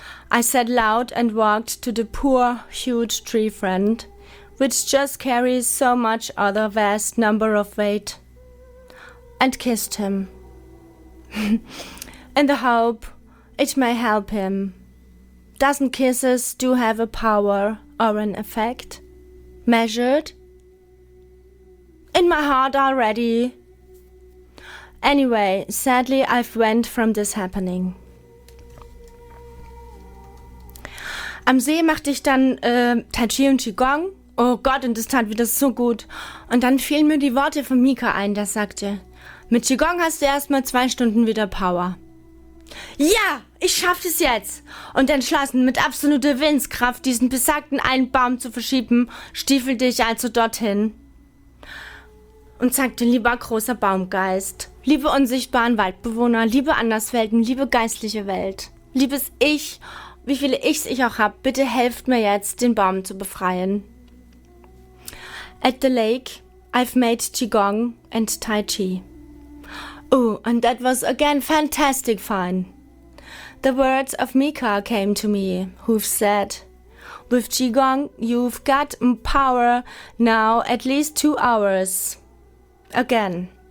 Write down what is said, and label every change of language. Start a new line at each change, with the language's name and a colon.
English: I said loud and walked to the poor huge tree friend, which just carries so much other vast number of weight, and kissed him, in the hope it may help him. Doesn't kisses do have a power or an effect? Measured? In my heart already. Anyway, sadly, I've went from this happening.
German: Am See machte ich dann Tai Chi und Qigong. Oh Gott, und das tat wieder so gut. Und dann fielen mir die Worte von Mika ein, der sagte, mit Qigong hast du erstmal 2 Stunden wieder Power. Ja, ich schaffe es jetzt. Und entschlossen, mit absoluter Willenskraft diesen besagten einen Baum zu verschieben, stiefelte ich also dorthin. Und sagte, lieber großer Baumgeist, liebe unsichtbaren Waldbewohner, liebe Anderswelten, liebe geistliche Welt, liebes Ich, wie viele Ichs ich auch hab, bitte helft mir jetzt, den Baum zu befreien.
English: At the lake, I've made Qigong and Tai Chi. Oh, and that was again fantastic fun. The words of Mika came to me, who've said, with Qigong, you've got power now at least 2 hours. Again.